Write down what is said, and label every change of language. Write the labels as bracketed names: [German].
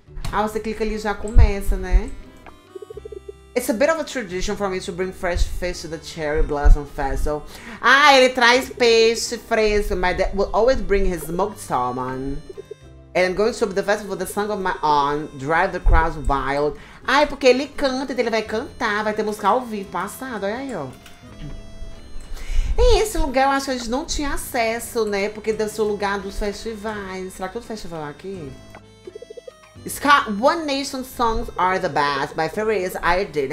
[Portuguese] Ah, você clica ali e já começa, né? [English] It's a bit of a tradition for me to bring fresh fish to the Cherry Blossom Festival. [Portuguese] Ah, ele traz peixe fresco. [English] My dad will always bring his smoked salmon. And I'm going to the festival with the song of my own, Drive the Crowds Wild. [Portuguese] Ah, é porque ele canta, então ele vai cantar, vai ter música ao vivo, passado, olha aí, ó. E esse lugar, eu acho que a gente não tinha acesso, né? Porque deve ser o lugar dos festivais. Será que todo festival é aqui? [English] Scott, One Nation songs are the best. My favorite is I Did.